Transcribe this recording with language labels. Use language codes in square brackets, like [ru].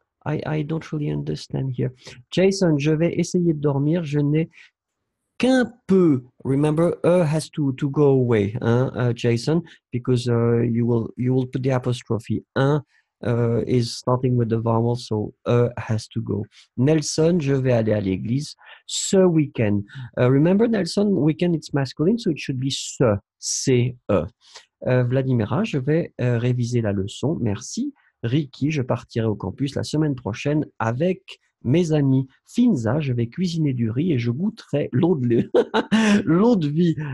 [en] I don't really understand here. Jason, [fr] je vais essayer de dormir. Je n'ai qu'un peu. [en] Remember, has to go away, hein, Jason, because you will put the apostrophe. Un is starting with the vowel, so has to go. [fr] Nelson, je vais aller à l'église ce week-end. [en] Remember, Nelson, weekend it's masculine, so it should be ce, C-E. [fr] Vladimira, je vais réviser la leçon. Merci. Ricky, je partirai au campus la semaine prochaine avec mes amis. Finza, je vais cuisiner du riz et je goûterai l'eau de, l'eau de vie.